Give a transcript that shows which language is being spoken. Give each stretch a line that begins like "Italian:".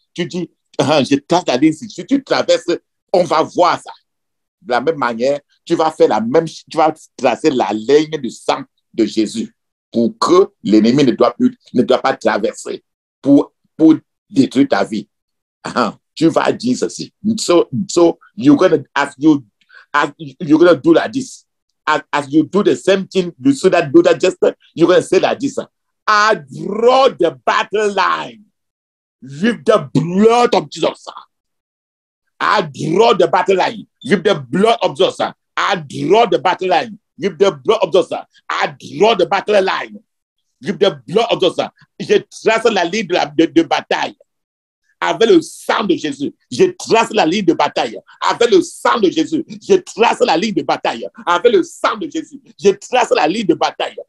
French: Tu dis, je trace la ligne. Si tu traverses, on va voir ça. De la même manière, tu vas tracer la ligne du sang de Jésus pour que l'ennemi ne doit pas traverser pour détruire ta vie. Tu vas dire ceci.
English: So you're gonna do the same thing, I draw the battle line with the blood of Jesus. I draw the battle line with the blood of Jesus. I draw the battle line with the blood of Jesus. I draw the battle line Give the blood of Jésus.
French: Je trace la ligne de bataille. Avec le sang de Jésus, je trace la ligne de bataille. Avec le sang de Jésus, je trace la ligne de bataille. Avec le sang de Jésus, je trace la ligne de bataille.